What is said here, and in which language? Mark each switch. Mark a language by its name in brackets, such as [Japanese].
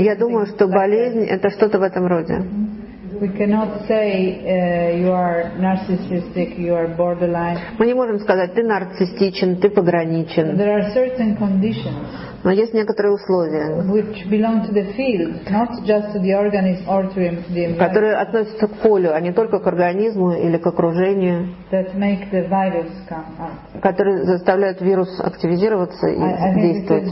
[Russian] Я думаю, что болезнь like это что-то в этом роде. [English] We cannot say you are narcissistic, you are borderline. [Russian] Мы не можем сказать, ты нарциссичен, ты пограничен. [English] There are certain conditions. [Russian] Но есть некоторые условия. [English] Which belong to the field, not just to the organism or to the environment. [Russian] Которые относятся к полю, а не только к организму или к окружению. [English] That make the virus come out. [Russian] Которые заставляют вирус активизироваться и действовать.